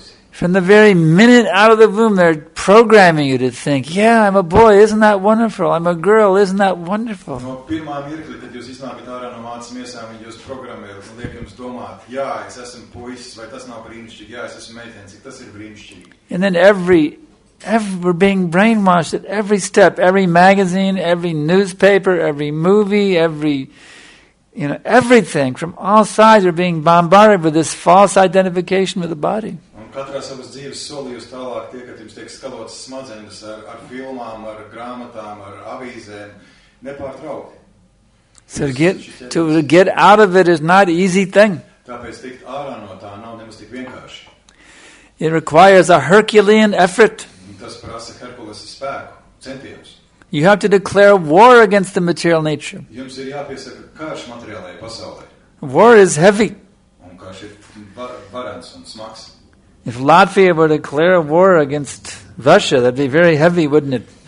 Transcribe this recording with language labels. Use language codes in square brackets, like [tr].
[en] From the very minute out of the womb, they're programming you to think, yeah, I'm a boy, isn't that wonderful? I'm a girl, isn't that wonderful? [lv] No pirmā mirkli, tad jūs iznākat ārā no mātes miesām, jūs programējat un liek jums domāt, jā, es esmu puisis, vai tas nav brīnišķīgi? Jā, es esmu meitenis, cik tas ir brīnišķīgi? [en] And then we're being brainwashed at every step, every magazine, every newspaper, every movie, everything from all sides are being bombarded with this false identification with the body. [lv] Katrā savas dzīves soli jūs tālāk tie, kad jums tiek skalotas smadzenes ar filmām, ar grāmatām, ar avīzēm, nepārtraukti. [en] So to get out of it is not easy thing. [lv] Tāpēc tikt ārā no tā nav nemaz tik vienkārši. [en] It requires a Herculean effort. [lv] Tas prasa Herkulesa spēku, centījums. [en] You have to declare war against the material nature. [lv] Jums ir jāpiesaka karš materiālajai pasaulē. [en] War is heavy. [lv] Un karš ir varens un smags. [en] If Latvia were to declare a war against Russia, that'd be very heavy, wouldn't it?